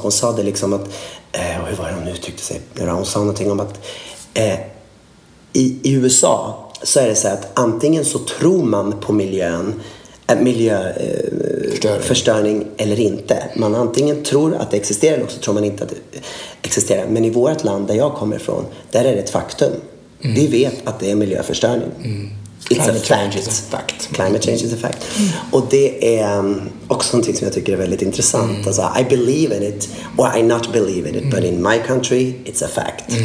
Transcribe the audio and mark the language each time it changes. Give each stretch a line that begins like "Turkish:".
Swedish: Hon sa det liksom att hur var det hon uttryckte sig? Hon sa någonting om att i USA så är det så att antingen så tror man på miljöförstöring eller inte. Man antingen tror att det existerar eller också tror man inte att det existerar. Men i vårt land där jag kommer ifrån, där är det ett faktum. Mm. Vi vet att det är miljöförstöring. Mm.
English: Climate change is a fact. Climate change is a fact. Mm.
Swedish: Och det är också någonting som jag tycker är väldigt intressant.
English: Alltså, I believe in it, or I not believe in it, but in my country, it's a fact.